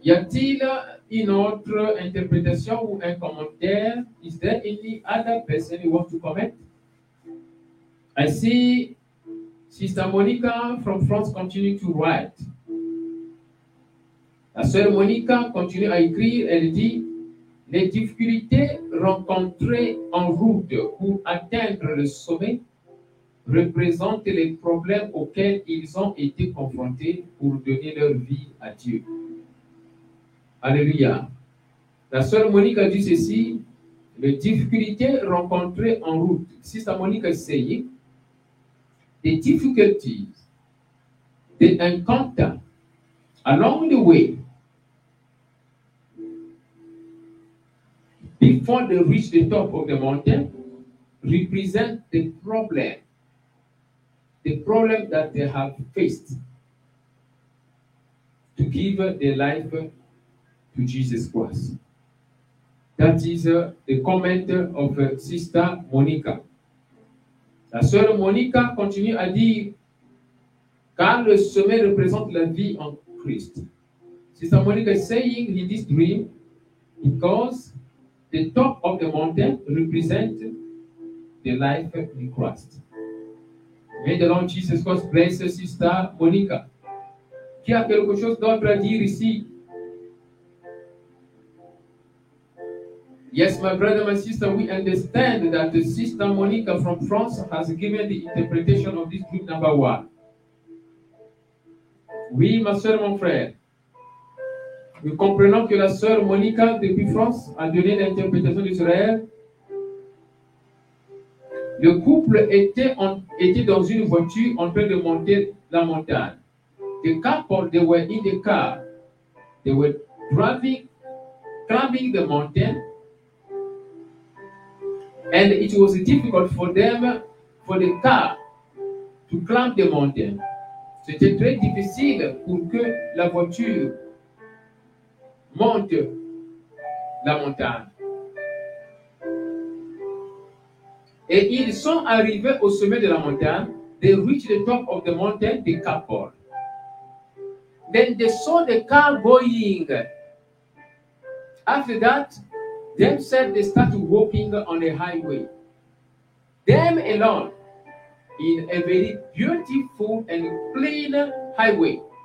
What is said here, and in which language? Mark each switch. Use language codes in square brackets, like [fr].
[fr] Y a-t-il une autre interprétation ou un commentaire? [en] Is there any other person you want to comment? I see Sister Monica from France continue to write. [fr] La sœur Monica continue à écrire, elle dit, les difficultés rencontrées en route pour atteindre le sommet représentent les problèmes auxquels ils ont été confrontés pour donner leur vie à Dieu. Alléluia. La sœur Monica dit ceci, les difficultés rencontrées en route. [en] Sister Monica [fr] essaye, les difficultés, les [en] encounters, along the way, before they reach the top of the mountain, represent the problem that they have faced to give their life to Jesus Christ. That is the comment of Sister Monica. [fr] La sœur Monica continue à dire, car le sommet représente la vie en Christ. [en] Sister Monica is saying in this dream, because the top of the mountain represents the life in Christ. May the Lord Jesus Christ bless Sister Monica. [fr] Qui a quelque chose d'autre à dire ici? [en] Yes, my brother, my sister, we understand that the Sister Monica from France has given the interpretation of this group number one. [fr] Oui, ma soeur, mon frère. Nous comprenons que la sœur Monica, depuis France, a donné l'interprétation d'Israël. Le couple était dans une voiture en train de monter la montagne. [en] The couple, they were in the car. They were driving, climbing the mountain. And it was difficult for them, for the car, to climb the mountain. [fr] C'était très difficile pour que la voiture monte la montagne. Et ils sont arrivés au sommet de la montagne. [en] They reached the top of the mountain, the couple. Then they saw the car going. After that, themselves, they started walking on a highway. Them alone, in a very beautiful and clean highway.